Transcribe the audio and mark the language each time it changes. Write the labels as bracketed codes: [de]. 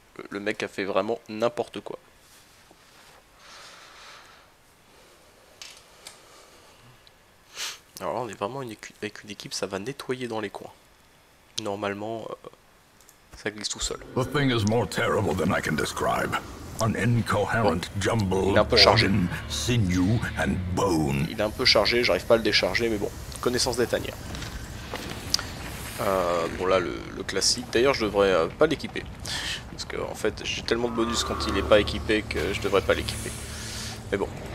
[fr] Le mec a fait vraiment n'importe quoi. Alors là, on est vraiment avec une équipe, ça va nettoyer dans les coins. Normalement, ça glisse tout seul. [en] The thing is more terrible than I can describe. An incoherent jumble. [fr] Il est un peu chargé. [en] Sinew and bone. [fr] Il est un peu chargé, j'arrive pas à le décharger, mais bon, connaissance des tanières. Bon là le classique, d'ailleurs je devrais pas l'équiper. Parce que en fait j'ai tellement de bonus quand il est pas équipé que je devrais pas l'équiper. Mais bon.